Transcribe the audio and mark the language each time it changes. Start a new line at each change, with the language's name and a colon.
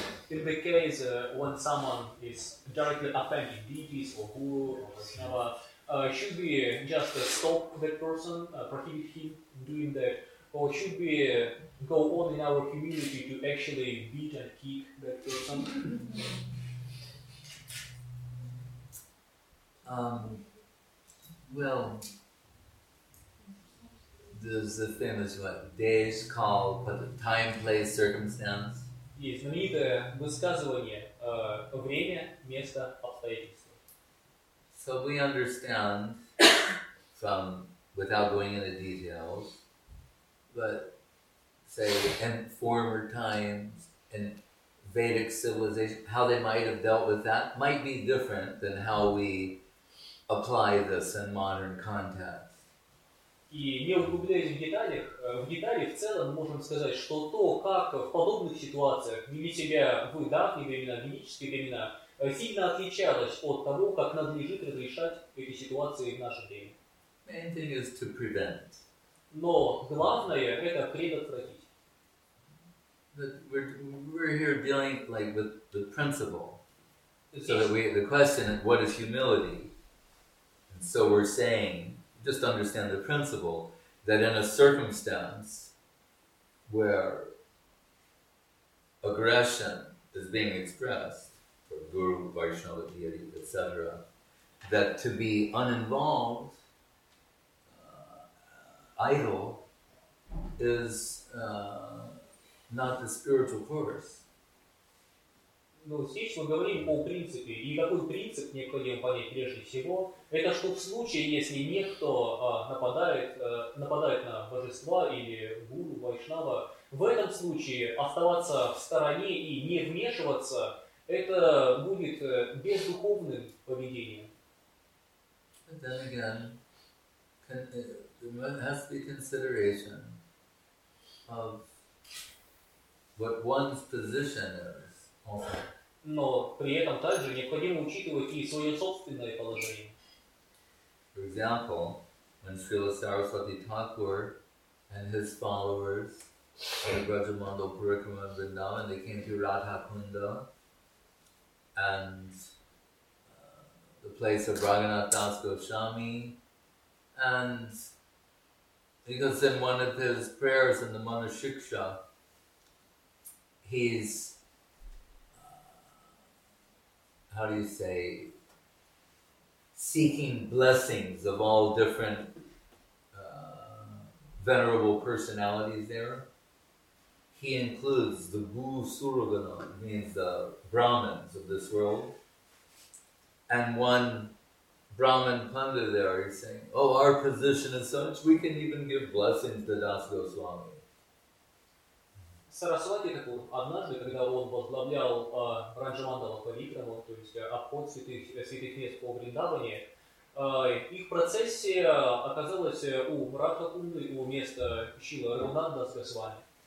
English: In the case when someone is directly offending deities or guru or whatever, should we just stop that person, prohibit him doing that, or should we go on in our community to actually beat and kick that person? Well. There's a famous what? Days call, but the time, place, circumstance.
Russian: Есть знаменитое высказывание время, место, обстоятельства.
English: So we understand from without going into details, but say in former times in Vedic civilization, how they might have dealt with that might be different than how we apply this in modern context.
Russian: И не углубляясь в детали в целом можем сказать, что то, как в подобных ситуациях вели себя в давние времена, в ведические времена, сильно отличалось от того, как надлежит разрешать эти ситуации в наше время. Но главное – это предотвратить.
English: Just understand the principle that in a circumstance where aggression is being expressed for Guru, Vaishnava, deity, etc., that to be uninvolved, idle, is not the spiritual course.
Russian: Ну, здесь мы говорим о принципе, и какой принцип необходимо понять прежде всего, это что в случае, если некто нападает на божества или гуру, вайшнава, в этом случае оставаться в стороне и не вмешиваться, это будет бездуховным поведением.
English: But then again, there has to be consideration of what one's position is.
Russian: Но при этом также необходимо учитывать и свое собственное положение.
English: For example, when Srila Saraswati Thakur and his followers had Brajamandal Purikrama in Vrindavan, and they came to Radhakunda and the place of Raghunath Das Goswami, and because in one of his prayers in the Manushiksha, he's how do you say, seeking blessings of all different venerable personalities there, he includes the Bhu Suragana, means the Brahmins of this world, and one Brahmin Pandit there is saying, oh, our position is such, we can even give blessings to Das Goswami.
Russian: Сарасвати Такур однажды, когда он возглавлял Ранджамандала Павитрама, то есть обход святых, святых мест по Вриндаване, их процессия оказалась у Радхакунды, у места Шрилы Рагунатдаса Свами.